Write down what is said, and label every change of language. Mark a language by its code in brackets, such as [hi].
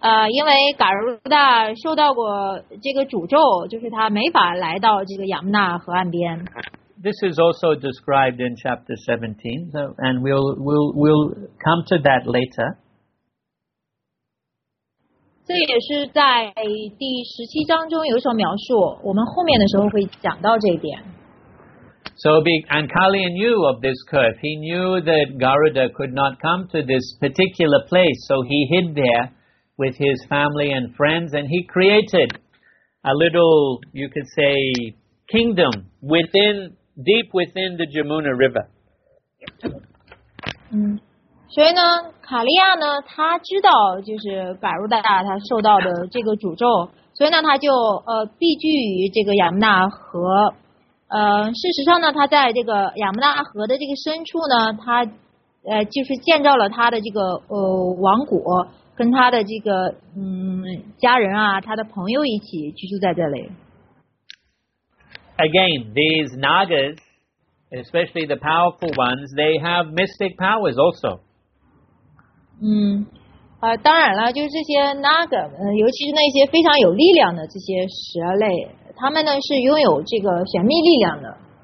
[zh] 因为 Garuda 受到过这个诅咒，就是他没法来到这个亚姆纳河岸边。 [en] This is also described in chapter 17, so, and we'll come to that later. [zh] 这也是在第十七章中有所描述，我们后面的时候会讲到这一点。 [en] So, and Kaliya knew of this curve. He knew that Garuda could not come to this particular place, so he hid there with his family and friends, and he created a little, you could say, kingdom within. Deep within the Jamuna River. [zh] 所以呢，卡利亚呢，他知道就是百如大他受到的这个诅咒，所以呢，他就避居于这个亚姆纳河。事实上呢，他在这个亚姆纳河的这个深处呢，他就是建造了他的这个王国，跟他的这个家人啊，他的朋友一起居住在这里。 [en] Again, these Nagas, especially the powerful ones, they have mystic powers also. [zh] 当然了，就是这些 Naga, 尤其是那些非常有力量的这些蛇类，他们呢是拥有这个玄秘力量的。